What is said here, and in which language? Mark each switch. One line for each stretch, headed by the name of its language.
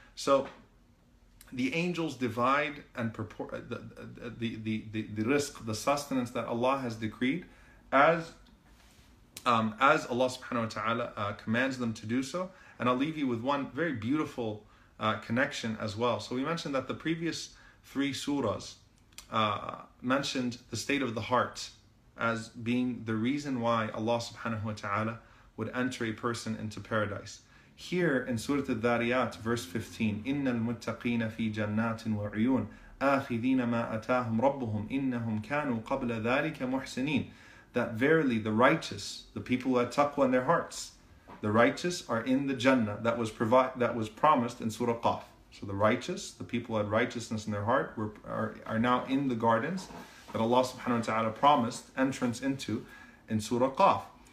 English: So the angels divide and purport the risk, the sustenance that Allah has decreed, as Allah subhanahu wa ta'ala commands them to do so. And I'll leave you with one very beautiful connection as well. So we mentioned that the previous three surahs mentioned the state of the heart as being the reason why Allah subhanahu wa ta'ala would enter a person into paradise. Here in Surah Adh-Dhariyat, verse 15,
Arabic: إِنَّ الْمُتَّقِينَ فِي جَنَّاتٍ وَعِيُونَ آخِذِينَ مَا أَتَاهُمْ رَبُّهُمْ إِنَّهُمْ كَانُوا قَبْلَ ذَلِكَ مُحْسِنِينَ.
English: That verily the righteous, the people who had taqwa in their hearts, the righteous are in the Jannah that was promised in Surah Qaf. So the righteous, the people who had righteousness in their heart, are now in the gardens that Allah subhanahu wa ta'ala promised entrance into in Surah Qaf.